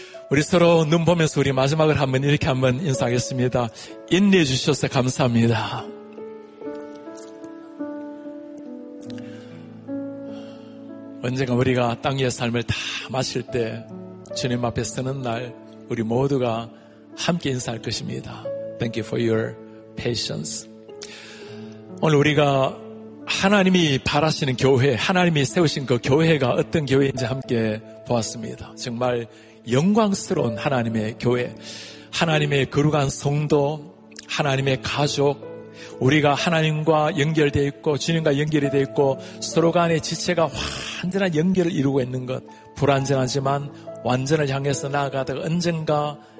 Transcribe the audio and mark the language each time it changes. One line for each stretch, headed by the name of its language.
Korean: 우리 서로 눈 보면서 우리 마지막을 한번 이렇게 한번 인사하겠습니다. 인내해 주셔서 감사합니다. 언젠가 우리가 땅 위의 삶을 다 마실 때 주님 앞에 서는 날 우리 모두가 함께 인사할 것입니다.
English: Thank you for your patience.
Korean: 오늘 우리가 하나님이 바라시는 교회, 하나님이 세우신 그 교회가 어떤 교회인지 함께 보았습니다. 정말 영광스러운 하나님의 교회, 하나님의 거룩한 성도, 하나님의 가족, 우리가 하나님과 연결되어 있고 주님과 연결이 되어 있고 서로 간의 지체가 완전한 연결을 이루고 있는 것, 불완전하지만 완전을 향해서 나아가다가 언젠가